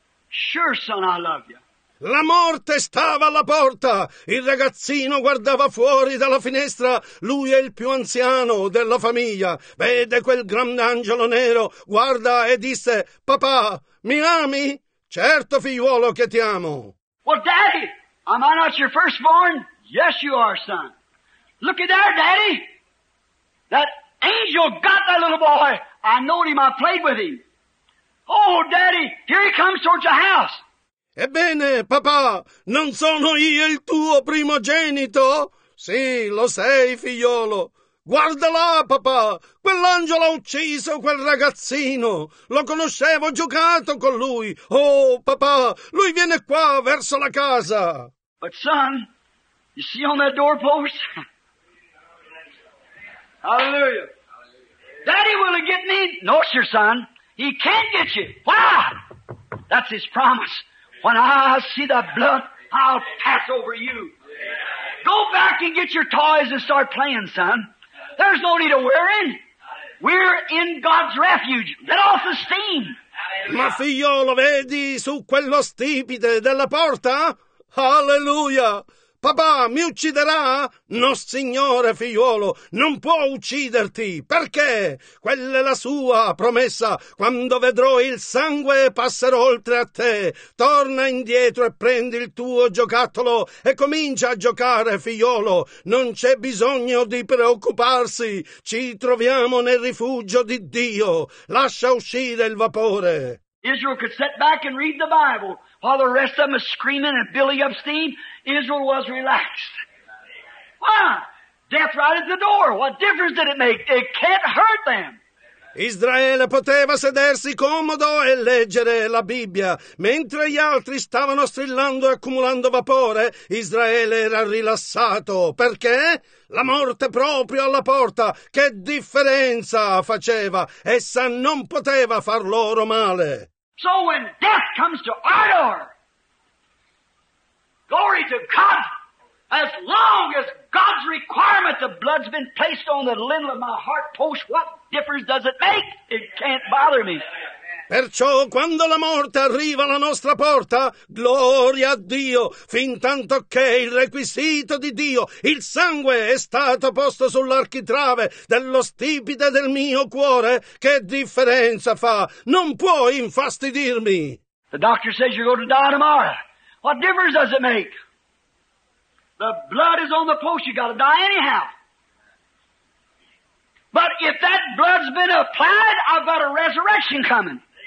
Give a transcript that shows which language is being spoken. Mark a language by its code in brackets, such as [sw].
[en] Sure, son, I love you. [it] La morte stava alla porta. Il ragazzino guardava fuori dalla finestra. Lui è il più anziano della famiglia. Vede quel grande angelo nero. Guarda e disse, Papà, mi ami? Certo, figliuolo, che ti amo. [en] Well, Daddy, am I not your firstborn? Yes, you are, son. Look at there, Daddy. That angel got that little boy. I know him. I played with him. Oh, Daddy, here he comes towards the house. [it] Ebbene, papà, non sono io il tuo primogenito? Sì, lo sei, figliolo. Guarda là, papà, quell'angelo ha ucciso quel ragazzino. Lo conoscevo, ho giocato con lui. Oh, papà, lui viene qua, verso la casa. [en] But son, you see on that doorpost? Hallelujah. Daddy, will he get me? No, sir, son. He can't get you. Why? That's his promise. When I see the blood, I'll pass over you. Go back and get your toys and start playing, son. There's no need of worrying. We're in God's refuge. Let off the steam. [it] Ma figliolo, vedi su quello stipite della porta? Alleluia! Papà, mi ucciderà? No, signore, figliuolo, non può ucciderti. Perché? Quella è la sua promessa. Quando vedrò il sangue, passerò oltre a te. Torna indietro e prendi il tuo giocattolo e comincia a giocare, figliuolo. Non c'è bisogno di preoccuparsi. Ci troviamo nel rifugio di Dio. Lascia uscire il vapore. [en] Israel could sit back and read the Bible while the rest of them are screaming and billy up steam. Israel was relaxed. Why? Death right at the door. What difference did it make? It can't hurt them. [it] Israele poteva sedersi comodo e leggere la Bibbia. Mentre gli altri stavano strillando e accumulando vapore, Israele era rilassato. Perché? La morte proprio alla porta. Che differenza faceva? Essa non poteva far loro male. [en] So when death comes to our door, glory to God, as long as God's requirement, the blood's been placed on the lintel of my heart post, what difference does it make? It can't bother me. [it] Perciò, quando la morte arriva alla nostra porta, gloria a Dio, fin tanto che il requisito di Dio, il sangue, è stato posto sull'architrave dello stipite del mio cuore, che differenza fa? Non può infastidirmi. [en] The doctor says you're going to die tomorrow. What difference does it make? The blood is on the post, you got to die anyhow. But if that blood's been applied, I've got a resurrection coming.